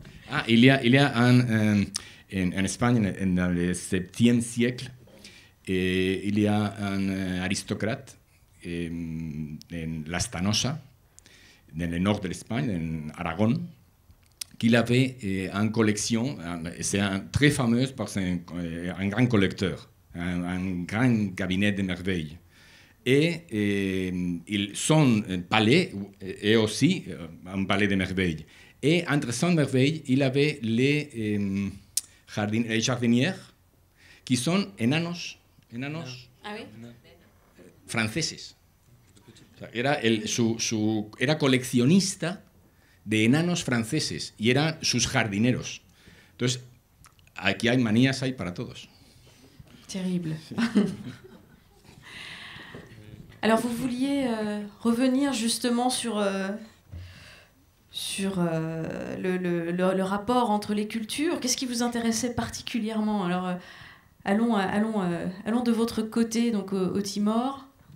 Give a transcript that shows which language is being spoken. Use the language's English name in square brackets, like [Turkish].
[French] Ah, il y a en Espagne, dans le 7e siècle, et il y a un aristocrate, en Lastanosa, dans le nord de l'Espagne, en Aragon, qu'il avait en collection, c'est un très fameux parce qu'il est un grand collecteur, un grand cabinet de merveilles. Et son palais est aussi un palais de merveilles. Et entre son merveille, il avait les jardinières qui sont [Spanish] enanos. [French] Ah oui? [Spanish] Franceses. Era coleccionista de enanos franceses y eran sus jardineros. Entonces, aquí hay manías, hay para todos. Terrible. [French] Alors, vous vouliez revenir justement sur le rapport entre les cultures. Qu'est-ce qui vous intéressait particulièrement? Alors, allons de votre côté, donc au Timor.